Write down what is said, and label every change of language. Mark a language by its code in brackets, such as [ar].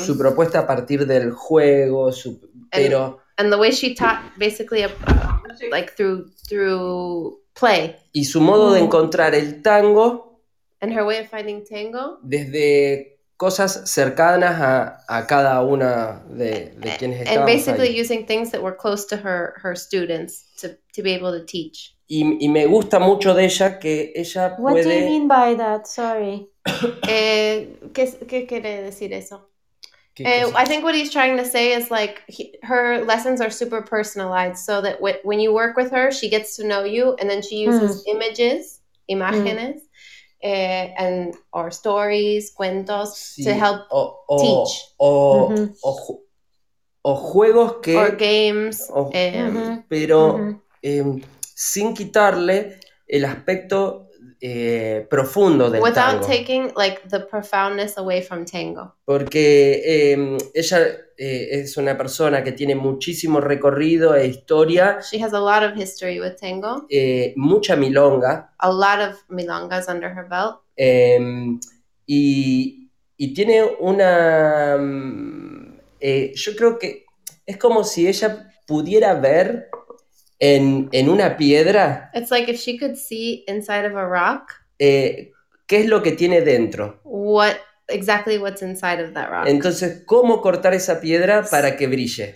[es] Su propuesta a partir del juego, su, pero... [en] And the way she taught, basically, like through play. [es] Y su modo de encontrar el tango... [en] And her way of finding tango. [es] Desde cosas cercanas a cada una de quienes estábamos ahí. [en] And basically [es] ahí. [en] Using things that were close to her students to be able to teach. [es] Y me gusta mucho de ella que ella [en] what [es] puede... [en] What do you mean by that? Sorry. [es] ¿Qué quiere decir eso? [en] I think what he's trying to say is like her lessons are super personalized so that when you work with her, she gets to know you and then she uses imágenes. And or stories, cuentos [es] sí, [en] to help teach [es] o juegos que [en] or games [es] o, pero sin quitarle el aspecto profundo del [en] without without taking like the profoundness away from tango [es] porque ella es una persona que tiene muchísimo recorrido e historia. [en] She has a lot of history with tango. [es] Mucha milonga. [en] A lot of milongas under her belt. [es] Y tiene una... yo creo que es como si ella pudiera ver en una piedra... [en] It's like if she could see inside of a rock. [es] ¿Qué es lo que tiene dentro? [en] What... Exactly what's inside of that rock. [es] Entonces, ¿cómo cortar esa piedra para que brille?